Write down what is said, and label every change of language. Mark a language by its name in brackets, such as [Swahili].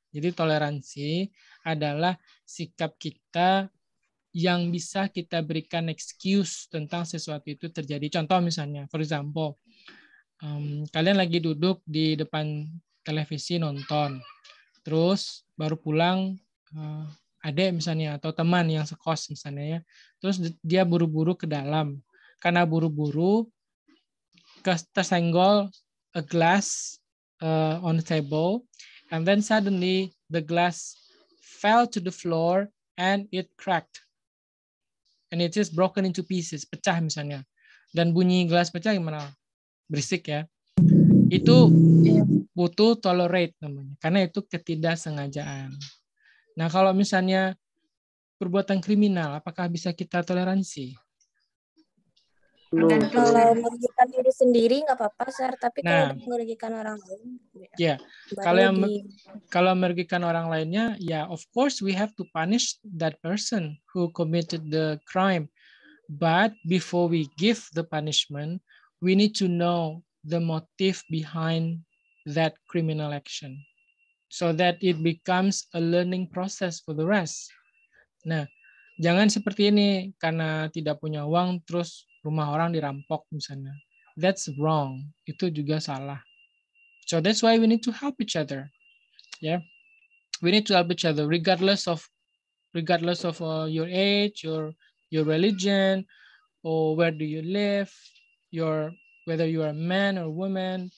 [Indonesian] Jadi toleransi adalah sikap kita yang bisa kita berikan excuse tentang sesuatu itu terjadi. Contoh misalnya, [English] for example, [Indonesian] kalian lagi duduk di depan televisi nonton, terus baru pulang adik misalnya, atau teman yang sekos misalnya, ya. Terus dia buru-buru ke dalam. Karena buru-buru, tersenggol [English] a glass on the table, and then suddenly the glass fell to the floor and it cracked. And it is broken into pieces, [Indonesian] pecah misalnya. Dan bunyi gelas pecah gimana? Berisik ya. Itu butuh tolerate namanya. Karena itu ketidaksengajaan. Nah, kalau misalnya perbuatan kriminal, apakah bisa kita toleransi? Kalau merugikan diri sendiri nggak apa-apa, Sar. Tapi kalau merugikan orang lain. Ya. Kalau merugikan orang lainnya, ya, [English] of course we have to punish that person who committed the crime. But before we give the punishment, we need to know the motive behind that criminal action. So that it becomes a learning process for the rest. [Indonesian] Nah, jangan seperti ini, karena tidak punya uang, terus rumah orang dirampok misalnya. [English] That's wrong. [Indonesian] Itu juga salah. [English] So that's why we need to help each other. Yeah, we need to help each other regardless of your age, your religion, or where do you live, whether you are a man or woman.